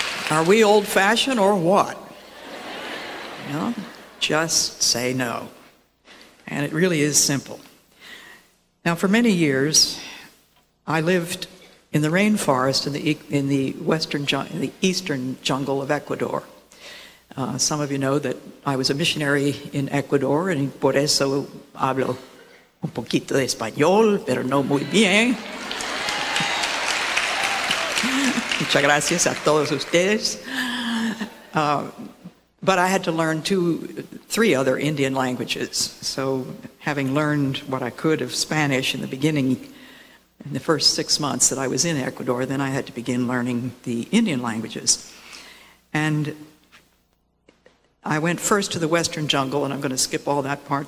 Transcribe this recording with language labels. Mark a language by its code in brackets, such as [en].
[en] Are we old-fashioned or what? No, just say no. And it really is simple. Now, for many years, I lived in the rainforest in the eastern jungle of Ecuador. Some of you know that I was a missionary in Ecuador, and por eso hablo un poquito de español, pero no muy bien. [es] Muchas gracias a todos ustedes. [en] But I had to learn three other Indian languages. So having learned what I could of Spanish in the first 6 months that I was in Ecuador, then I had to begin learning the Indian languages. And I went first to the Western jungle, and I'm going to skip all that part.